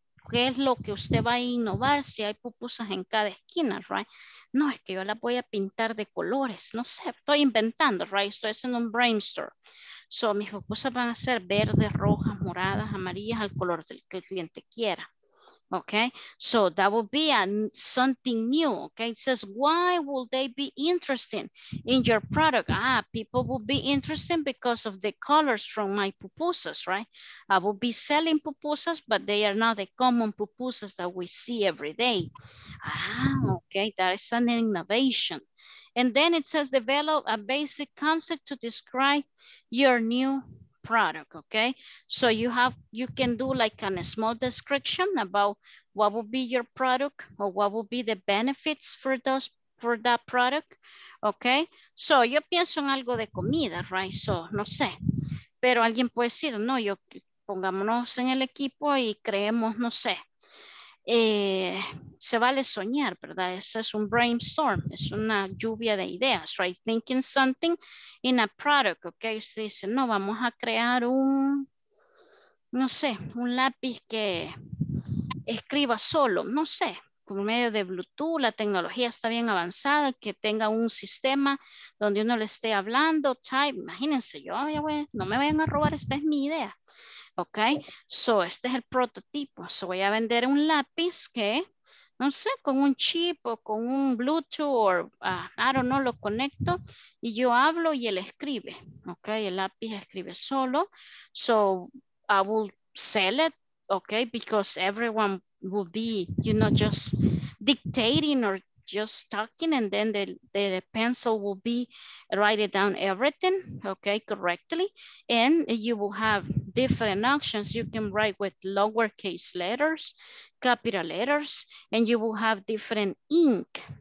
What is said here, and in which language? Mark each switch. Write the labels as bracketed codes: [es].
[es] ¿Qué es lo que usted va a innovar si hay pupusas en cada esquina, right? No, es que yo la voy a pintar de colores. No sé, estoy inventando, right? Estoy haciendo un brainstorm. So, mis pupusas van a ser verdes, rojas, moradas, amarillas, al color del que el cliente quiera. [en] Okay, so that would be something new. Okay, it says, why will they be interested in your product? Ah, people will be interested because of the colors from my pupusas, right? I will be selling pupusas, but they are not the common pupusas that we see every day. Ah, okay, that is an innovation. And then it says, develop a basic concept to describe your new product, okay? So you have, you can do like a small description about what will be your product or what will be the benefits for those, for that product, okay? [es] So yo pienso en algo de comida, right? So no sé, pero alguien puede decir, no, yo pongámonos en el equipo y creemos, no sé, se vale soñar, ¿verdad? Eso es un brainstorm, es una lluvia de ideas, right? [en] Thinking something in a product, [es] ¿ok? Usted dice, no, vamos a crear un, no sé, un lápiz que escriba solo, no sé, por medio de Bluetooth, la tecnología está bien avanzada, que tenga un sistema donde uno le esté hablando, type, imagínense, yo ya voy, no me vayan a robar, esta es mi idea, ¿ok? So, este es el prototipo, so, voy a vender un lápiz que, no sé, con un chip o con un Bluetooth o, [en] I don't know, [es] lo conecto y yo hablo y él escribe, ¿ok? El lápiz escribe solo, [en] so I will sell it, ¿ok? Because everyone will be, you know, just dictating or just talking and then the pencil will be writing down everything, okay, correctly. And you will have different options. You can write with lowercase letters, capital letters, and you will have different ink.